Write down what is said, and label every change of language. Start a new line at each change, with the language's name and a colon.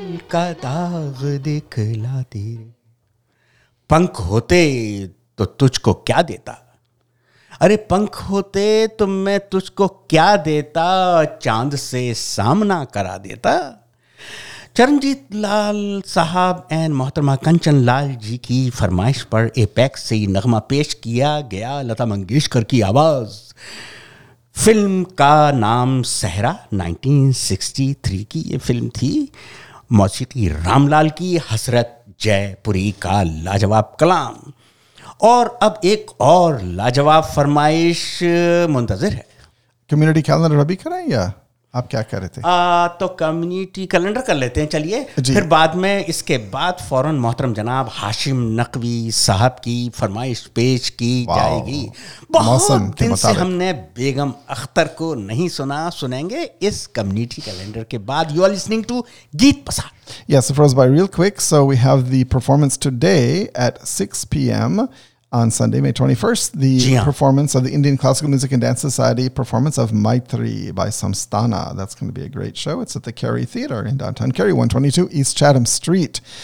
Hindi: का दाग दिखला तेरे, पंख होते तो तुझको क्या देता, अरे पंख होते तो मैं तुझको क्या देता, चांद से सामना करा देता। चरणजीत लाल साहब एंड मोहतरमा कंचन लाल जी की फरमाइश पर एपेक्स से नगमा पेश किया गया लता मंगेशकर की आवाज। फिल्म का नाम सहरा, 1963 की ये फिल्म थी। मौसीकी रामलाल की, हसरत जयपुरी का लाजवाब कलाम। और अब एक और लाजवाब फरमाइश मुंतजर है। कम्युनिटी कैलेंडर अभी करें या आप क्या कह रहे थे? तो कम्युनिटी कैलेंडर कर लेते हैं, चलिए फिर बाद में इसके बाद फौरन मोहतरम जनाब हाशिम नकवी साहब की फरमाइश पेश की जाएगी। बहुत दिन से हमने बेगम अख्तर को नहीं सुना, सुनेंगे इस कम्युनिटी कैलेंडर के बाद।
English: You are listening to Geet Bazaar. Yes, so for us, by real quick, so we have the performance today at 6 p.m. on Sunday, May 21st, the performance of the Indian Classical Music and Dance Society performance of Maitri by Samstana. That's going to be a great show. It's at the Kerry Theater in downtown Kerry, 122 East Chatham Street.